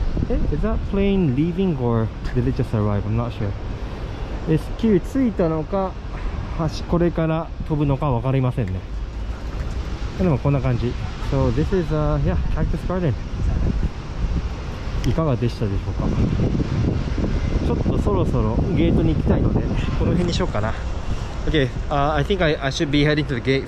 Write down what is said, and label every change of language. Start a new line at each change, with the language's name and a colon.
English: え、is that plane leaving or did it just arrive? I'm not sure.
Japanese: エスキュー着いたのか、橋これから飛ぶのか分かりませんね。でもこんな感じ。
English: So this is a yeah cactus garden.
Japanese: いかがでしたでしょうか。ちょっとそろそろゲートに行きたいので、この辺にしようかな。
English: Okay, I think I should be heading to the gate.